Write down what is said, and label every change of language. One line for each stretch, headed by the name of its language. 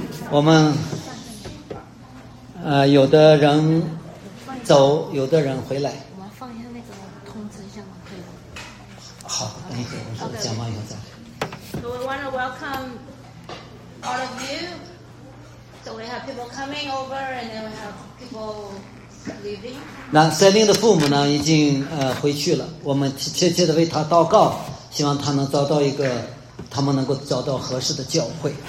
Chinese: 我们有的人走，有的人回来。我们放一下那个通知一下吗？可以吗？好，等一会儿，我们讲完以后再。
English: So we want to welcome all of you. So we have people coming over, and then we have people leaving.
Chinese: 那塞琳的父母呢？已经回去了。我们切切的为他祷告，希望他能找到一个，他们能够找到合适的教会。